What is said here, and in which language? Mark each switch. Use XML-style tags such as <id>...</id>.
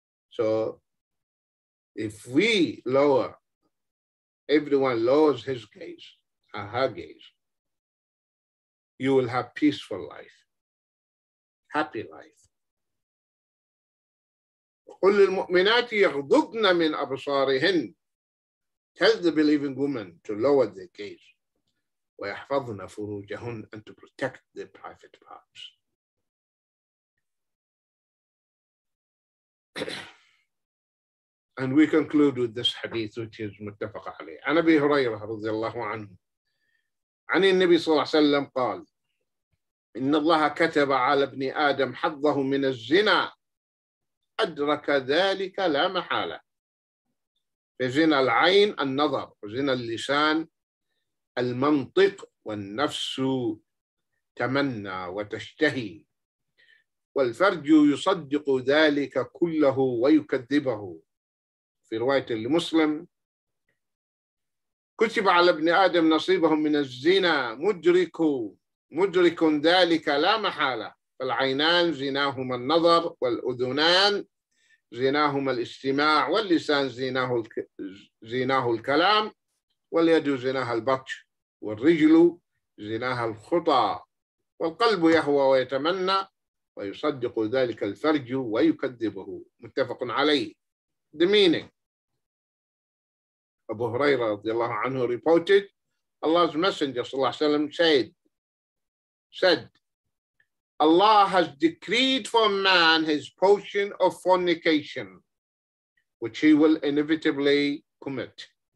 <en>So if we lower, everyone lowers his gaze or her gaze, you will have peaceful life, happy life.</en> <ar>قل للمؤمنات يغضضن من أبصارهن.</ar> <en>Tell the believing woman to lower their gaze.</en> <ar>وَيَحْفَظْنَ فُرُوجَهُنْ</ar> <en>and to protect the private parts. And we conclude with this hadith, which is</en> <ar>متفق عليه. عن أبي هريرة رضي الله عنه. عن النبي صلى الله عليه وسلم قال, إن الله كتب على ابن آدم حظه من الزنا. أدرك ذلك لا محالة. فزنا العين النظر, وزنا اللسان المنطق, والنفس تمنى وتشتهي, والفرج يصدق ذلك كله ويكذبه. في رواية لمسلم, كتب على ابن آدم نصيبهم من الزنا, مدرك ذلك لا محالة. فالعينان زناهما النظر, والأذنان زناهما الاستماع, واللسان زناه الكلام, واليد زناها البطش, والرجل زناها الخطى, والقلب يهوى ويتمنى, ويصدق ذلك الفرج ويكذبه. متفق عليه.</ar> <en>The meaning. Abu Huraira</en> <ar>رضي الله عنه</ar> <en>reported, Allah's Messenger</en> <ar>صلى الله عليه وسلم</ar> <en>said, Allah has decreed for man his portion of fornication, which he will inevitably commit.</en>